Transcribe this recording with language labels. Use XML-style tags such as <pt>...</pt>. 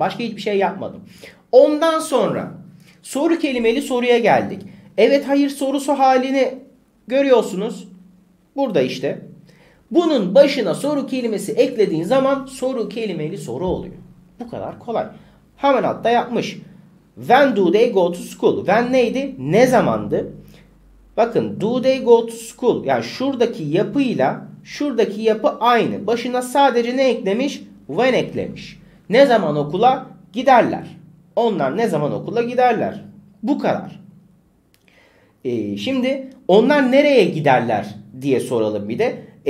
<tr>Başka hiçbir şey yapmadım. Ondan sonra soru kelimeli soruya geldik. Evet hayır sorusu halini görüyorsunuz. Burada işte. Bunun başına soru kelimesi eklediğin zaman soru kelimeli soru oluyor. Bu kadar kolay. Hemen altta yapmış.</tr> <en>When do they go to school? When</en> <tr>neydi? Ne zamandı?</tr> <en>Bakın do they go to school?</en> <tr>Yani şuradaki yapıyla şuradaki yapı aynı. Başına sadece ne eklemiş? When eklemiş. Ne zaman okula giderler? Onlar ne zaman okula giderler? Bu kadar. Şimdi onlar nereye giderler diye soralım bir de.</tr>